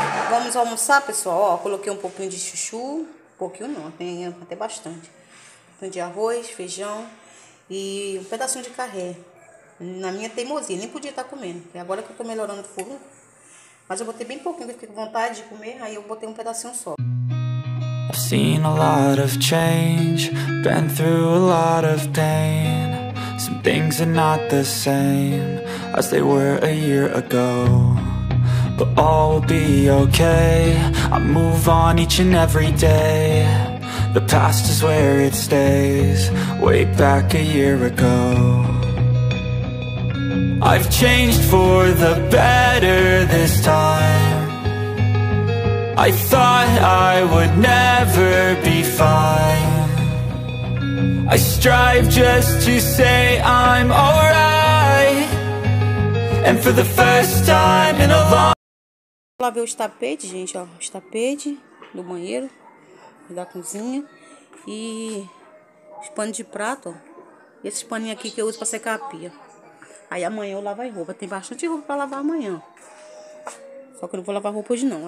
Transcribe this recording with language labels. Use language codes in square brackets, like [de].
[pt] Vamos almoçar, pessoal. Ó, coloquei um pouquinho de chuchu. Um pouquinho não, tem até bastante. Um pouquinho de arroz, feijão e um pedacinho de carré. Na minha teimosia, nem podia estar comendo. Porque agora que eu estou melhorando o furo, mas eu botei bem pouquinho, porque fiquei com vontade de comer, aí eu botei um pedacinho só. [en] I've seen a lot of change, been through a lot of pain. Some things are not the same as they were a year ago. But all will be okay, I move on each and every day. The past is where it stays, way back a year ago. I've changed for the better this time. I thought I would never be fine. I strive just to say I'm alright. And for the first time in a long... [pt] Lavei os tapetes, gente, ó. Os tapetes do banheiro, da cozinha. E os panos de prato, ó. E esses paninhos aqui que eu uso pra secar a pia. Aí amanhã eu lavo as roupas. Tem bastante roupa pra lavar amanhã. Só que eu não vou lavar roupa hoje, não.